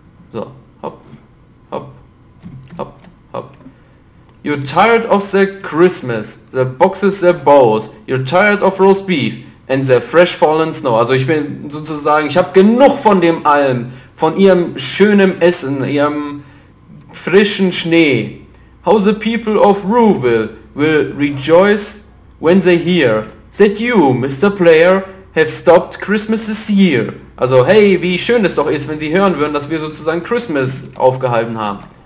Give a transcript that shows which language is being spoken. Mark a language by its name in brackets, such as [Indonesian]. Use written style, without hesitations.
[English] So, hopp, hopp, hopp, hopp. You're tired of the Christmas. The boxes, the bows. You're tired of roast beef. And the fresh fallen snow. [German] Also ich bin sozusagen, ich habe genug von dem allem. Von ihrem schönen Essen, ihrem frischen Schnee. [English] How the people of Rueville will rejoice when they hear that you, Mr. Player, have stopped Christmas this year. [German] Also, hey, wie schön es doch ist, wenn sie hören würden, dass wir sozusagen Christmas aufgehalten haben.